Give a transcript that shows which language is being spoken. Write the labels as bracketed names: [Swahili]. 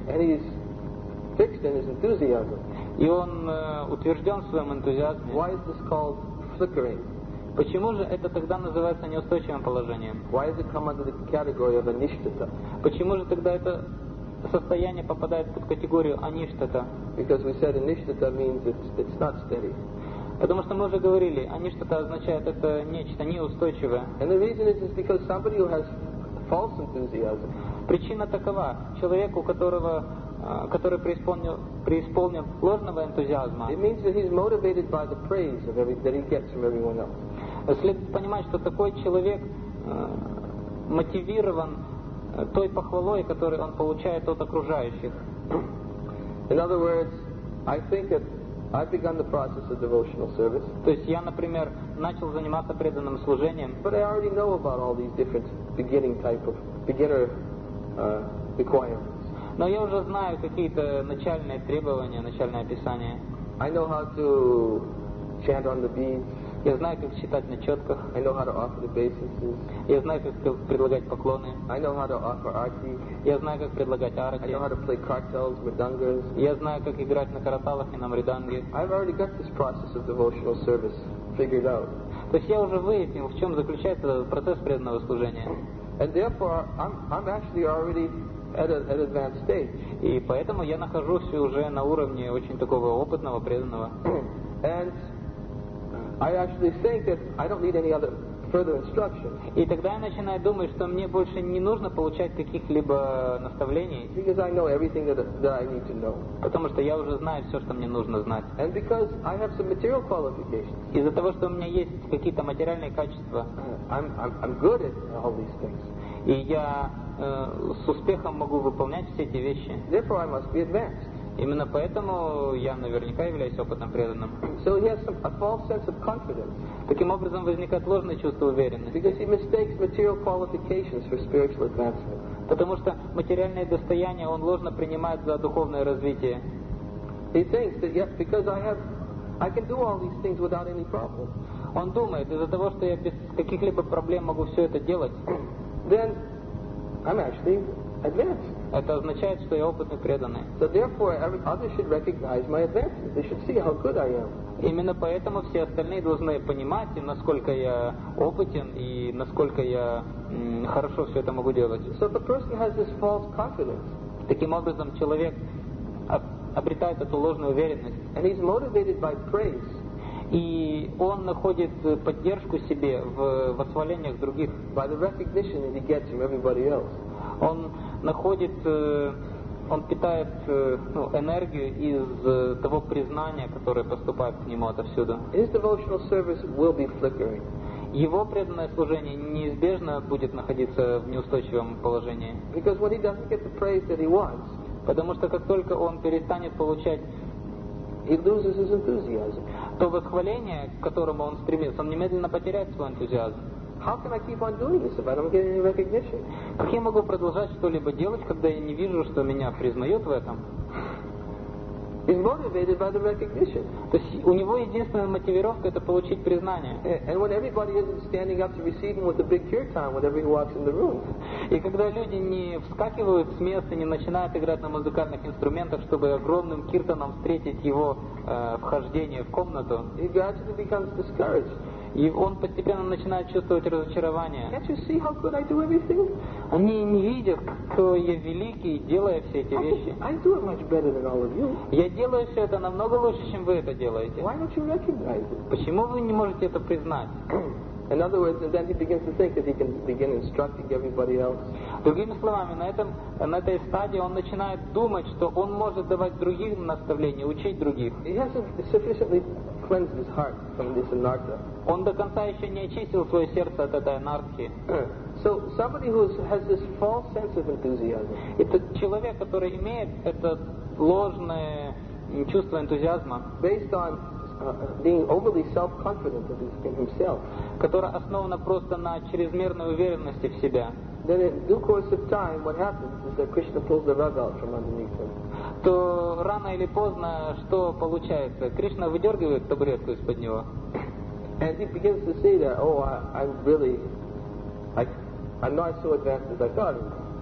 [English] And he's fixed in his enthusiasm. [Russian] И он утвержден в своем энтузиазме. [English] Why is this called flickering? [Russian] Почему же это тогда называется неустойчивым положением? [English] Why does it come under the category of aništata? [Russian] Почему же тогда это состояние попадает под категорию аништата? [English] Because we said aništata means it's not steady. [Russian] Потому что мы уже говорили, аништата означает это нечто неустойчивое. [English] And the reason is because somebody who has false enthusiasm. [Russian] Причина такова: человек, у которого, который преисполнен ложного энтузиазма. [English] It means that he's motivated by the praise of that he gets from everyone else. [Russian] Следует понимать, что такой человек мотивирован той похвалой, которую он получает от окружающих. [English] In other words, I think that I've begun the process of devotional service. [Russian] То есть я, например, начал заниматься преданным служением. [English] But I already know about all these different beginning type of beginner requirements. [Russian] Но я уже знаю какие-то начальные требования, начальное описание. [English] I know how to chant on the beads. [Russian] Я знаю, как читать на четках. [English] I know how to offer the basis. [Russian] Я знаю, как предлагать поклоны. [English] I know how to offer arti. [Russian] Я знаю, как предлагать арти. [English] I know how to play kartals, mridangas. [Russian] Я знаю, как играть на караталах и на мриданге. [English] I've already got this process of devotional service figured out. [Russian] То есть я уже выяснил, в чем заключается процесс преданного служения. [English] And therefore, I'm actually already at advanced stage. [Russian] И поэтому я нахожусь уже на уровне очень такого опытного преданного. [English] And I actually think that I don't need any other further instruction. [Russian] И тогда я начинаю думать, что мне больше не нужно получать каких-либо наставлений. [English] Because I know everything that I need to know. [Russian] Потому что я уже знаю все, что мне нужно знать. [English] And because I have some material qualifications. [Russian] Из-за того, что у меня есть какие-то материальные качества. [English] I'm good at all these things. [Russian] И я с успехом могу выполнять все эти вещи. [English] Therefore, I must be advanced. [Russian] Именно поэтому я наверняка являюсь опытным преданным. [English] So he has a false sense of confidence. [Russian] Таким образом возникает ложное чувство уверенности. [English] Because he mistakes material qualifications for spiritual advancement. [Russian] Потому что материальное достояние он ложно принимает за духовное развитие. [English] He thinks that yes, because I can do all these things without any problem. [Russian] Он думает, из-за того, что я без каких-либо проблем могу все это делать, [English] then I'm actually advanced. [Russian] Это означает, что я опытный преданный. [English] So therefore, others should recognize my advancement. They should see how good I am. [Russian] Именно поэтому все остальные должны понимать, насколько я опытен и насколько я хорошо все это могу делать. [English] So the person has this false confidence. [Russian] Таким образом, человек обретает эту ложную уверенность. [English] And he's motivated by praise. [Russian] И он находит поддержку себе в восхвалениях других. [English] By the recognition that he gets from everybody else. [Russian] Он находит, он питает энергию из того признания, которое поступает к нему отовсюду. [English] His devotional service will be flickering. [Russian] Его преданное служение неизбежно будет находиться в неустойчивом положении. [English] Because when he doesn't get the praise that he wants, [Russian] потому что как только он перестанет получать, [English] he loses his enthusiasm. [Russian] То восхваление, к которому он стремится, он немедленно потеряет свой энтузиазм. [English] How can I keep on doing this if I don't get any recognition? [Russian] Как я могу продолжать что-либо делать, когда я не вижу, что меня признают в этом? [English] He's motivated by the recognition. [Russian] То есть у него единственная мотивировка это получить признание. [English] And when everybody isn't standing up to receive him with a big kirtan, whenever he walks in the room. [Russian] И когда люди не вскакивают с места, не начинают играть на музыкальных инструментах, чтобы огромным киртаном встретить его вхождение в комнату. [English] He gradually becomes discouraged. [Russian] И он постепенно начинает чувствовать разочарование. [English] Can't you see how good I do everything? [Russian] Они не видят, кто я великий, делая все эти вещи. [English] I do it much better than all of you. [Russian] Я делаю все это намного лучше, чем вы это делаете. [English] Why don't you recognize it? [Russian] Почему вы не можете это признать? [English] In other words, then he begins to think that he can begin instructing everybody else. [Russian] Другими словами, на этой стадии он начинает думать, что он может давать другим наставления, учить других. [English] He hasn't sufficiently cleansed his heart from this anartha. [Russian] Он до конца еще не очистил свое сердце от этой анархии. [English] So somebody who has this false sense of enthusiasm. [Russian] Это человек, который имеет это ложное чувство энтузиазма. [English] Based on being overly self-confident in himself. [Russian] Которое основано просто на чрезмерной уверенности в себя. [English] Then in due course of time, what happens is that Krishna pulls the rug out from underneath him. [Russian] То рано или поздно что получается? Кришна выдергивает табуретку из-под него. [English] And he begins to see that, I'm not so advanced as I thought I was.